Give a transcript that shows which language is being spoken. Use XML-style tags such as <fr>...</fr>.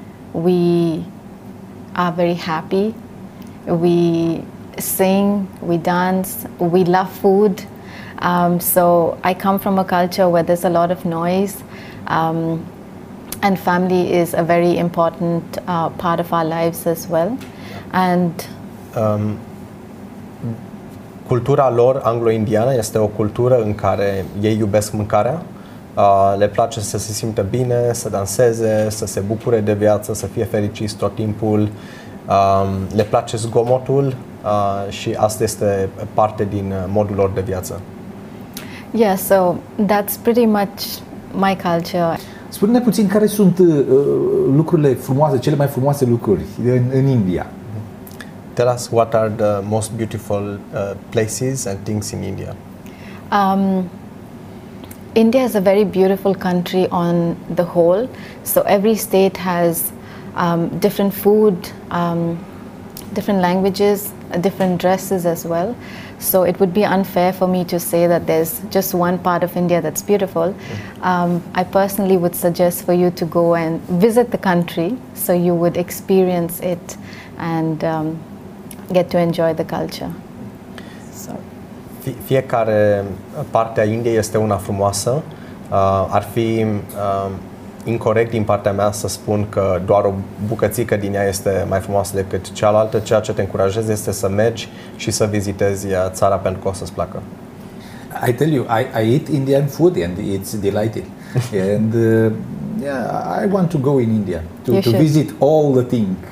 <en>We are very happy. We sing, we dance, we love food. So I come from a culture where there's a lot of noise, and family is a very important part of our lives as well. And</en> <ro>cultura lor anglo-indiană este o cultură în care ei iubesc mâncarea, le place să se simtă bine, să danseze, să se bucure de viață, să fie fericiți tot timpul, le place zgomotul și asta este parte din modul lor de viață.</ro> <en>Yeah, so that's pretty much my culture.</en> <ro>Spune-ne puțin care sunt lucrurile frumoase, cele mai frumoase lucruri în India.</ro> <en>Tell us what are the most beautiful places and things in India. India is a very beautiful country on the whole. So every state has different food, different languages, different dresses as well. So it would be unfair for me to say that there's just one part of India that's beautiful. I personally would suggest for you to go and visit the country so you would experience it and get to enjoy the culture.</en> <ro>Fiecare parte a Indiei este una frumoasă. Ar fi incorrect din partea mea să spun că doar o bucățică din ea este mai frumoasă decât cealaltă. Ceea ce te încurajez este să mergi și să vizitezi țara pentru că o să-ți placă.</ro> <en>I tell you, I eat Indian food and it's delightful. And yeah, I want to go in India to visit all the things.</en>